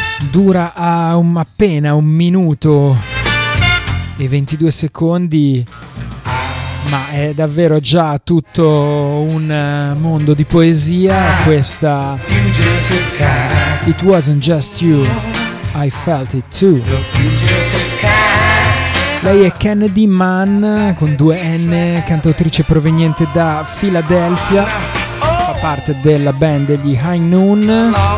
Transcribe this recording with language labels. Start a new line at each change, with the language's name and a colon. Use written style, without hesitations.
Italian: dura a appena un minuto e 22 secondi, ma è davvero già tutto un mondo di poesia questa.
English: It wasn't just you, I felt it too.
Italian: Lei è Kennedy Mann con due N, cantautrice proveniente da Philadelphia, fa parte della band degli High Noon.